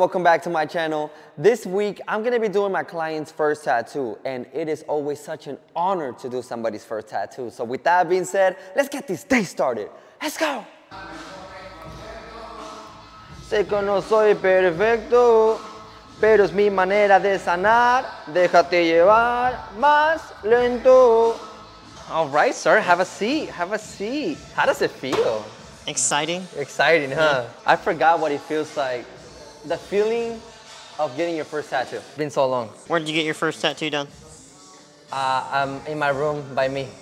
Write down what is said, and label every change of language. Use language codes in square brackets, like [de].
[en] Welcome back to my channel. This week, I'm gonna be doing my client's first tattoo, and it is always such an honor to do somebody's first tattoo. So with that being said, let's get this day started. Let's go. [es] Sé que no soy perfecto, pero es mi manera de sanar. Déjate llevar más lento. [en] All right, sir, have a seat, have a seat. How does it feel? Exciting. Exciting, huh? Yeah. I forgot what it feels like. The feeling of getting your first tattoo. It's been so long. Where did you get your first tattoo done? I'm in my room by me.